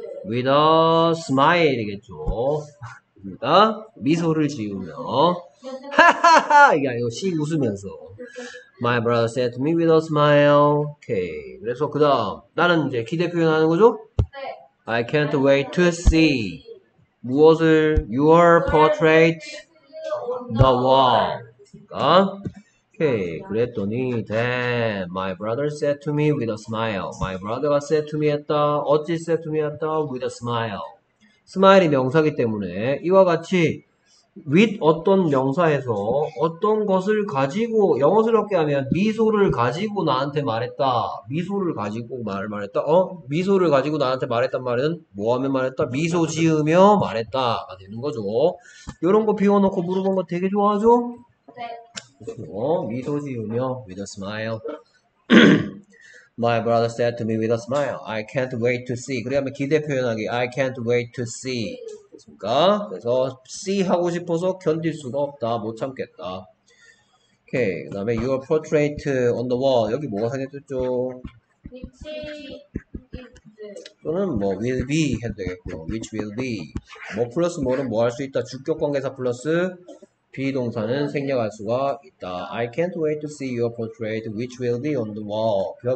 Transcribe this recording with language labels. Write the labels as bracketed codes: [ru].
[en] with a [ko] smile이겠죠. 입니다. 미소를 지으며 하하하 이게 아니고 씩 웃으면서 [en] my brother said to me with a smile. [ko] 오케이. 그래서 그다음 나는 이제 기대 표현하는 거죠. [en] I can't wait to see [ko] 무엇을 [en] your portrait the wall. [ko] 그러니까 오케이. 그랬더니 [en] then my brother said to me with a smile. My brother가 said to me 했다. 어찌 said to me 했다 with a smile. [ko] 스마일이 명사이기 때문에 이와 같이 with 어떤 명사에서 어떤 것을 가지고 영어스럽게 하면 미소를 가지고 나한테 말했다. 미소를 가지고 말을 말했다. 어? 미소를 가지고 나한테 말했단 말은 뭐하면 말했다? 미소 지으며 말했다가 되는 거죠. 이런 거 비워놓고 물어본 거 되게 좋아하죠? 네. 어? 미소 지으며 [en] with a smile. My brother said to me with a smile, I can't wait to see. [ko] 그래야만 기대 표현하기. [en] I can't wait to see. [ko] 그니까 그래서 see 하고 싶어서 견딜 수가 없다. 못 참겠다. 오케이. 그 다음에 [en] your portrait on the wall. [ko] 여기 뭐가 생겼죠? [en] Which is. [ko] 또는 뭐 will be 해도 되겠고요. [en] Which will be. [ko] 뭐 플러스 뭐는 뭐 할 수 있다. 주격 관계사 플러스 be 동사는 생략할 수가 있다. [en] I can't wait to see your portrait which will be on the wall.